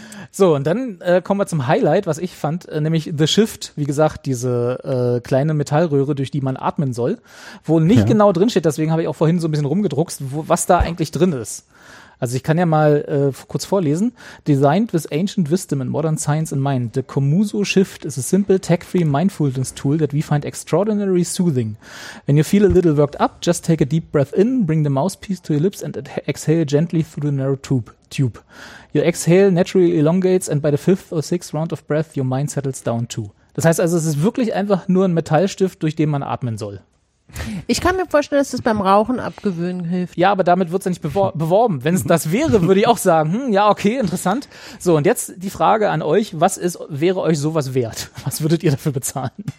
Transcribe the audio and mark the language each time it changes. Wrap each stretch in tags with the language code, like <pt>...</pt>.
<de>So, und dann kommen wir zum Highlight, was ich fand, nämlich The Shift, wie gesagt, diese kleine Metallröhre, durch die man atmen soll, wo nicht genau drinsteht, deswegen habe ich auch vorhin so ein bisschen rumgedruckst, was da eigentlich drin ist. Also ich kann ja mal kurz vorlesen.</de> <en>Designed with ancient wisdom and modern science in mind, the Komuso Shift is a simple, tech-free mindfulness tool that we find extraordinarily soothing. When you feel a little worked up, just take a deep breath in, bring the mouthpiece to your lips and exhale gently through the narrow tube. Your exhale naturally elongates and by the 5th or 6th round of breath, your mind settles down too.</en> <de>Das heißt also, es ist wirklich einfach nur ein Metallstift, durch den man atmen soll. Ich kann mir vorstellen, dass das beim Rauchen abgewöhnen hilft. Ja, aber damit wird es ja nicht beworben. Wenn es das wäre, würde ich auch sagen, ja, okay, interessant. So, und jetzt die Frage an euch, wäre euch sowas wert? Was würdet ihr dafür bezahlen?</de>